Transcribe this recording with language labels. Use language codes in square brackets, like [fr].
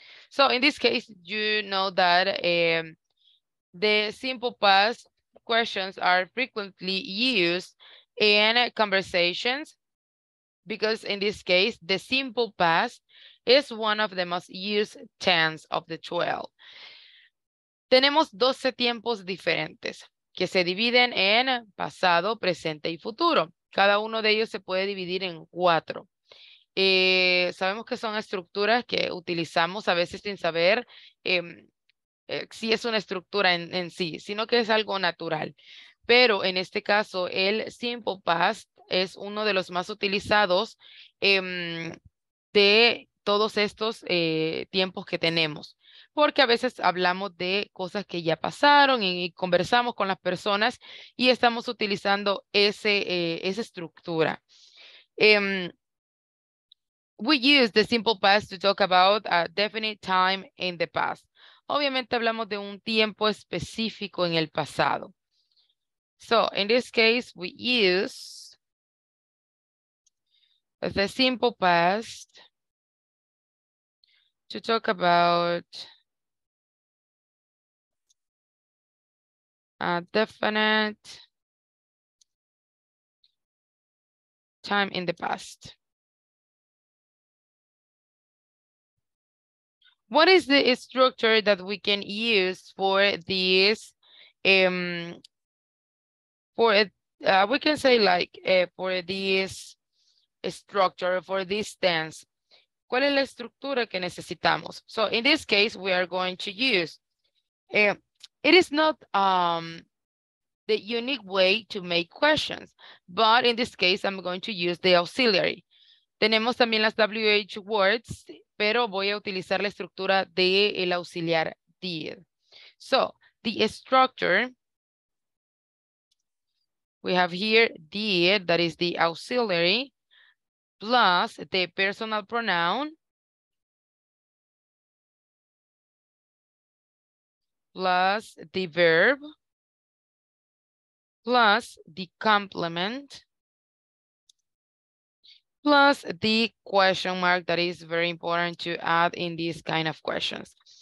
[en] So in this case, you know that the simple past questions are frequently used in conversations, because in this case, the simple past is one of the most used tense of the 12. [es] Tenemos 12 tiempos diferentes que se dividen en pasado, presente y futuro. Cada uno de ellos se puede dividir en 4. Sabemos que son estructuras que utilizamos a veces sin saber si es una estructura en sí, sino que es algo natural. Pero en este caso, el simple past es uno de los más utilizados de todos estos tiempos que tenemos. Porque a veces hablamos de cosas que ya pasaron y conversamos con las personas y estamos utilizando esa estructura. [en] We use the simple past to talk about a definite time in the past. [es] Obviamente hablamos de un tiempo específico en el pasado. [en] So, in this case, we use the simple past to talk about a definite time in the past. What is the structure that we can use for this? We can say like for this structure, for this tense. [es] ¿Cuál es la estructura que necesitamos? [en] So in this case, we are going to use. It is not the unique way to make questions, but in this case, I'm going to use the auxiliary. [es] Tenemos también las WH words, pero voy a utilizar la estructura del auxiliar did. [en] So, the structure, we have here did, that is the auxiliary, plus the personal pronoun, plus the verb, plus the complement, plus the question mark that is very important to add in these kind of questions.